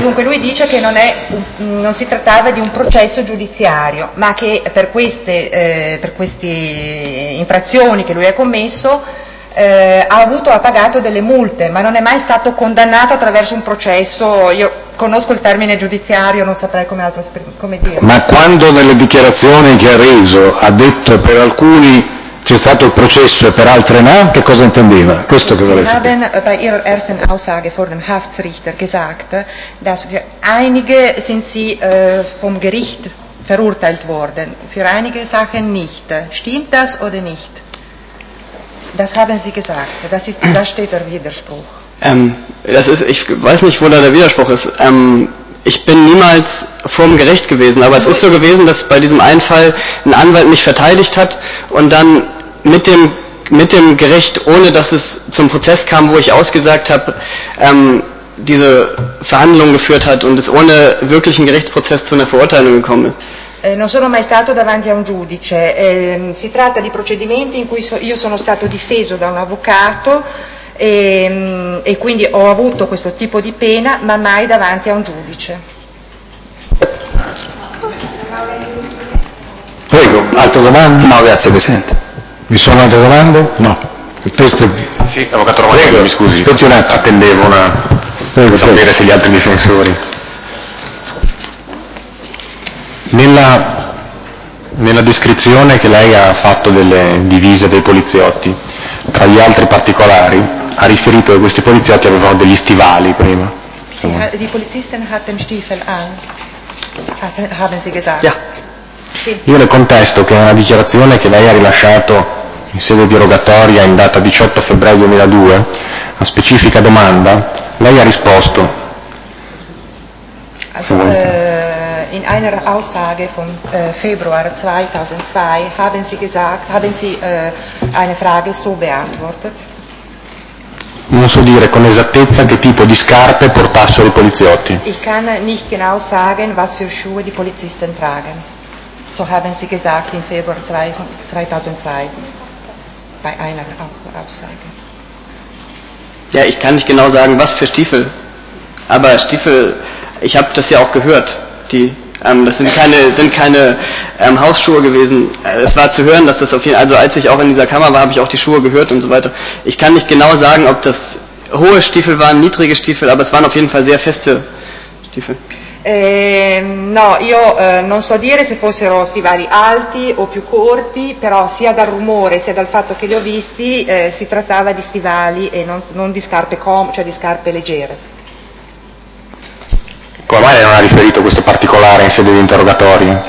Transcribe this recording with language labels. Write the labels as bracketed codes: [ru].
[it] Dunque lui dice che non si trattava di un processo giudiziario, ma che per queste infrazioni che lui ha commesso ha pagato delle multe, ma non è mai stato condannato attraverso un processo. Io conosco il termine giudiziario, non saprei come altro come dire. Ma quando nelle dichiarazioni che ha reso ha detto per alcuni c'è stato il processo e per altre no, che cosa intendeva? Questo che volevo sapere. [de] Haben bei ihrer ersten Aussage vor dem Haftrichter gesagt, dass für einige sind sie vom Gericht verurteilt worden, für einige Sachen nicht. Stimmt das oder nicht? Das haben sie gesagt. Das steht der Widerspruch. Ich weiß nicht, wo da der Widerspruch ist. Ich bin niemals vorm Gericht gewesen, aber es ist so gewesen, dass bei diesem einen Fall ein Anwalt mich verteidigt hat und dann mit dem Gericht, ohne dass es zum Prozess kam, wo ich ausgesagt habe, diese Verhandlung geführt hat und es ohne wirklichen Gerichtsprozess zu einer Verurteilung gekommen ist. [it] Non sono mai stato davanti a un giudice. Si tratta di procedimenti in cui io sono stato difeso da un avvocato. E quindi ho avuto questo tipo di pena, ma mai davanti a un giudice. Prego, altre domande? No, grazie Presidente. Vi sono altre domande? No. Il test è... Sì, avvocato Romagnoli, mi scusi. Aspetti un attimo. Attendevo una... prego, sapere prego. Se gli altri difensori. Nella descrizione che lei ha fatto delle divise dei poliziotti, tra gli altri particolari, ha riferito che questi poliziotti avevano degli stivali prima. [de] Die Polizisten hatten Stiefel an. Haben Sie gesagt? Ja. [it] Sì. Io le contesto che una dichiarazione che lei ha rilasciato in sede di rogatoria in data 18 febbraio 2002, a specifica domanda, lei ha risposto. [de] In einer Aussage vom Februar 2002 haben Sie eine Frage so beantwortet. [it] Non so dire con esattezza che tipo di scarpe portassero i poliziotti. [de] Ich kann nicht genau sagen, was für Schuhe die Polizisten tragen. So haben Sie gesagt im Februar 2002 bei einer Aussage. Ja, ich kann nicht genau sagen, was für Stiefel. Aber Stiefel, ich habe das ja auch gehört. Das sind keine Hausschuhe gewesen. Es war zu hören, dass das auf jeden Fall, also als ich auch in dieser Kammer war, habe ich auch die Schuhe gehört und so weiter. Ich kann nicht genau sagen, ob das hohe Stiefel waren, niedrige Stiefel, aber es waren auf jeden Fall sehr feste Stiefel. [it] Non so dire se fossero stivali alti o più corti, però sia dal rumore sia dal fatto che li ho visti, si trattava di stivali e non di scarpe cioè di scarpe leggere. Come mai non ha riferito questo particolare in sede di interrogatorio?